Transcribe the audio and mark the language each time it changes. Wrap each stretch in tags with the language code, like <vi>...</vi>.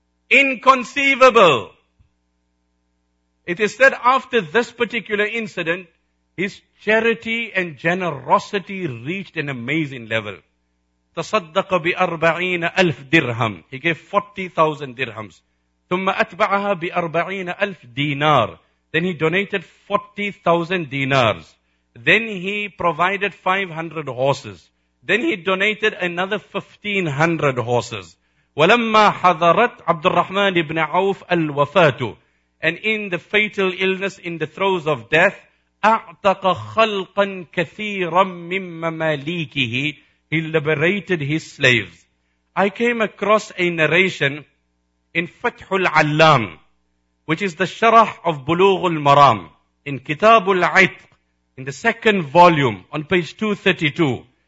<en>Inconceivable. It is said after this particular incident, his charity and generosity reached an amazing level.</en> <ar>تصدق بأربعين ألف درهم.</ar> <en>He gave 40,000 dirhams.</en> <ar>ثم أتبعها بأربعين ألف دينار.</ar> <en>Then he donated 40,000 dinars. Then he provided 500 horses. Then he donated another 1,500 horses.</en> <ar>ولما حضرت عبد الرحمن بن عوف الوفاة.</ar> <en>And in the fatal illness, in the throes of death,</en> <ar>أعتق خلقا كثيرا من مماليكه.</ar> <en>He liberated his slaves. I came across a narration in Fath al-Allam, which is the Sharah of Bulugh al-Maram, in Kitab al-Itq, in the second volume, on page 232.</en>